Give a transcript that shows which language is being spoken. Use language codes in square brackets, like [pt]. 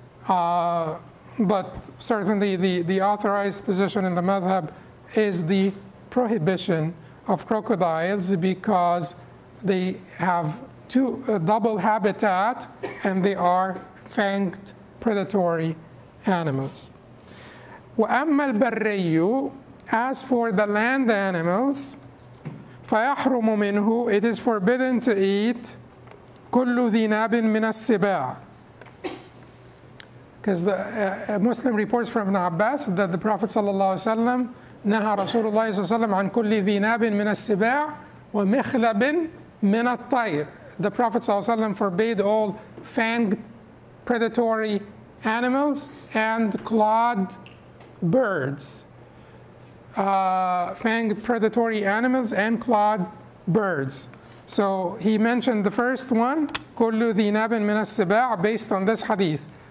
[en] But certainly the authorized position in the madhab is the prohibition of crocodiles because they have double habitat and they are fanged predatory animals. [ar] وَأَمَّا الْبَرِّيُّ, [en] as for the land animals, [ar] فَيَحْرُمُ مِنْهُ, [en] it is forbidden to eat [ar] كُلُّ ذِنَابٍ مِنَ السِّبَاعِ. [en] Because the Muslim reports from Ibn Abbas that the Prophet [ar] ﷺ نهى رسول الله صلى الله عليه وسلم عن كل ذناب من السباع ومخلب من الطير. [en] The Prophet ﷺ forbade all fanged predatory animals and clawed birds. Fanged predatory animals and clawed birds. So he mentioned the first one, [ar] كل ذناب من السباع, [en] based on this hadith.